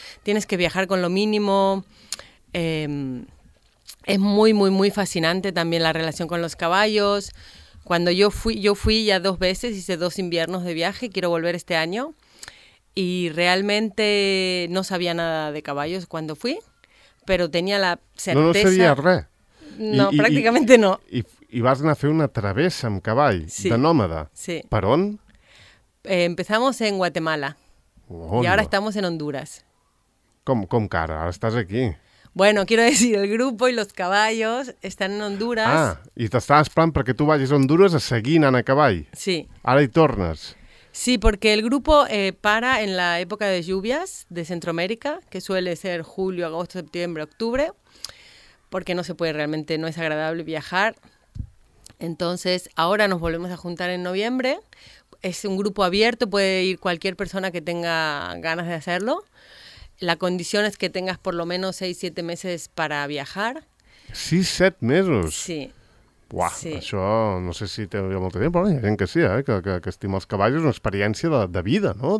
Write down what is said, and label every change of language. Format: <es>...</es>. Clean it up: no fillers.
<es>Tienes que viajar con lo mínimo. Es muy, muy, muy fascinante también la relación con los caballos. Cuando yo fui ya dos veces, hice dos inviernos de viaje, quiero volver este año, y realmente no sabía nada de caballos cuando fui. Pero tenía la certeza...</es> <ca>No sabia res. No, pràcticament no. I vas anar a fer una travessa amb cavall, sí, de nòmada. Sí. Per on?</ca> <es>Empezamos en Guatemala. Oh, y ahora estamos en Honduras.</es> <ca>Com que ara? Ara estàs aquí.</ca> <es>Bueno, quiero decir, el grupo y los caballos están en Honduras.</es> <ca>Ah, i t'estàs esperant perquè tu vagis a Honduras a seguir anant a cavall. Sí. Ara hi tornes.</ca> <es>Sí, porque el grupo para en la época de lluvias de Centroamérica, que suele ser julio, agosto, septiembre, octubre, porque no se puede realmente, no es agradable viajar. Entonces, ahora nos volvemos a juntar en noviembre. Es un grupo abierto, puede ir cualquier persona que tenga ganas de hacerlo. La condición es que tengas por lo menos 6-7 meses para viajar. Sí, 7 meses. Sí. Buah, sí.</es> <ca>Això no sé si té molt de temps, però hi ha gent que sí, que estima els cavalls, és una experiència de vida, no?</ca>